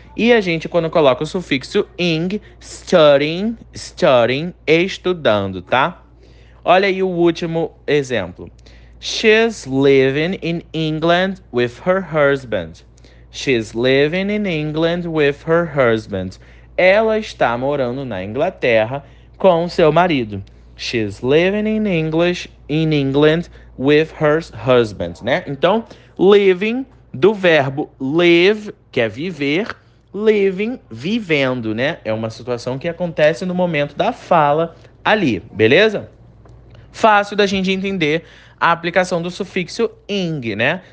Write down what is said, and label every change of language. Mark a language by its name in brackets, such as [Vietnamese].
[Portuguese] E a gente, quando coloca o sufixo ing, [English] studying, studying, [Portuguese] estudando, tá? Olha aí o último exemplo. [English] She's living in England with her husband. She's living in England with her husband. [Portuguese] Ela está morando na Inglaterra com seu marido. [English] She's living in English in England with her husband, né? [Portuguese] Então, living do verbo live, que é viver, living vivendo, né? É uma situação que acontece no momento da fala ali, beleza? Fácil da gente entender a aplicação do sufixo ing, né?